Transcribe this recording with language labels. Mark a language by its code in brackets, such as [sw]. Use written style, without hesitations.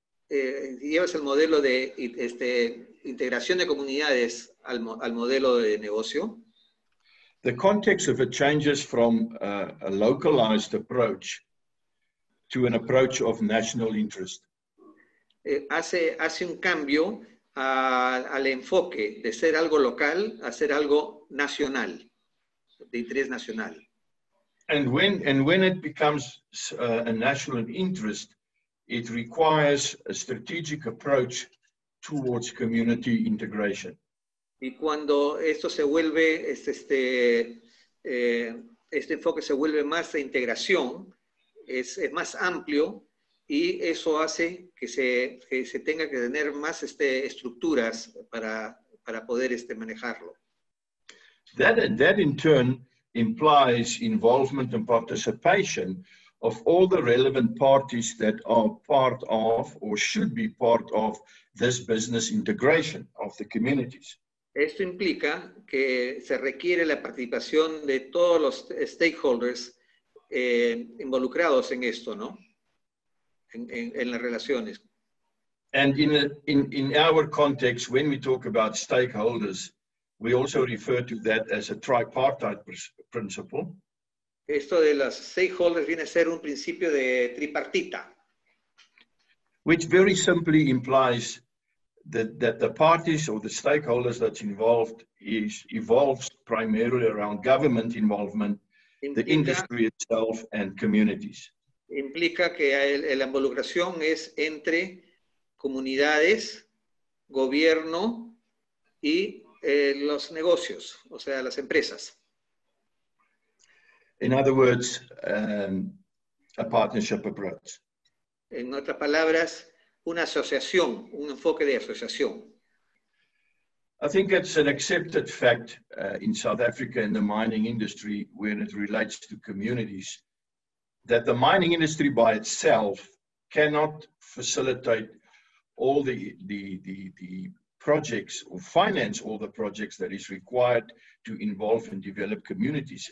[es] Llevas el modelo de integración de comunidades al modelo de negocio. [en] The context of it changes from a localized approach to an approach of national interest. [es] Hace un cambio al enfoque de ser algo local a ser algo nacional, de interés nacional. [en] And when it becomes a national interest, it requires a strategic approach towards community integration. [es] Y cuando esto se vuelve este enfoque se vuelve más de integración, es más amplio y eso hace que se tenga que tener más estructuras para poder manejarlo. [en] That in turn implies involvement and participation of all the relevant parties that are part of or should be part of this business integration of the communities. [es] Esto implica que se requiere la participación de todos los stakeholders involucrados en esto, ¿no? en las relaciones. [en] And in our context, when we talk about stakeholders, we also refer to that as a tripartite principle. [es] Esto de los stakeholders viene a ser un principio de tripartita. [en] Which very simply implies that the parties or the stakeholders that's involved evolves primarily around government involvement, the industry itself, and communities. [es] Implica que la involucración es entre comunidades, gobierno y los negocios, o sea, las empresas. [en] In other words, a partnership approach. [es] En otras palabras, una asociación, un enfoque de asociación. [en] I think it's an accepted fact in South Africa in the mining industry when it relates to communities that the mining industry by itself cannot facilitate all the projects or finance all the projects that is required to involve and develop communities.